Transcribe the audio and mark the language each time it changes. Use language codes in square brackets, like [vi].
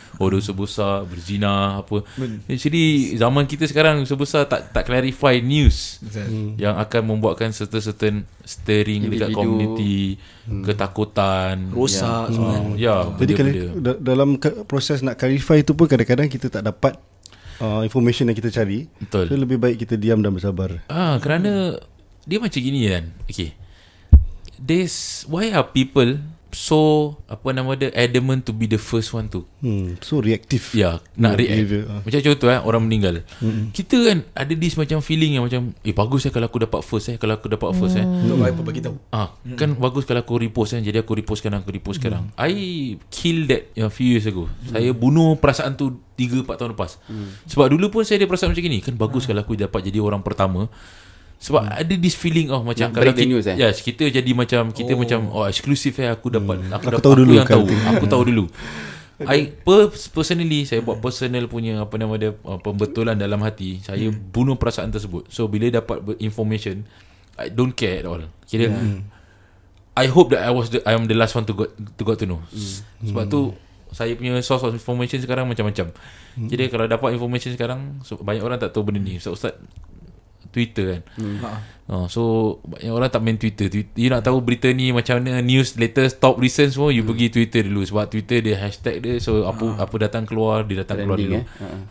[ms] Oh dosa besar berzina apa? Jadi zaman kita sekarang dosa besar tak clarify news yang akan membuatkan [en] certain stirring [ms] dekat community, ketakutan, rosak. Jadi dalam proses nak clarify itu pun kadang-kadang kita tak dapat information yang kita cari. Betul. So lebih baik kita diam dan bersabar. Kerana dia macam gini kan. Okay. [en] This why are people so apa nama dia adamant to be the first one to so reactive. [ms] Ya, nak react behavior. Macam contoh orang meninggal. Kita kan ada this macam feeling yang macam bagus kalau aku dapat first kalau aku dapat first untuk apa bagi tahu. Kan bagus kalau aku repost jadi aku repost sekarang, [en] I kill that few years ago. [ms] Saya bunuh perasaan tu 3-4 tahun lepas. Sebab dulu pun saya ada perasaan macam gini kan, bagus kalau aku dapat jadi orang pertama. Sebab ada this feeling macam kalau breaking news yes, kita jadi macam kita macam eksklusif aku dapat aku tahu dulu. I personally saya buat personal punya apa nama dia pembetulan dalam hati saya bunuh perasaan tersebut. So bila dapat information [en] I don't care at all. Kira I hope that I am the last one to got to know. [ms] Sebab tu saya punya source of information sekarang macam-macam. Kira kalau dapat information sekarang banyak orang tak tahu benda ni. So ustaz Twitter kan. So banyak orang tak main Twitter. You nak tahu berita ni macam mana, [en] news latest, top recent [ms] semua, you pergi Twitter dulu. Sebab Twitter dia hashtag dia. So apa datang keluar, dia datang trending keluar dulu.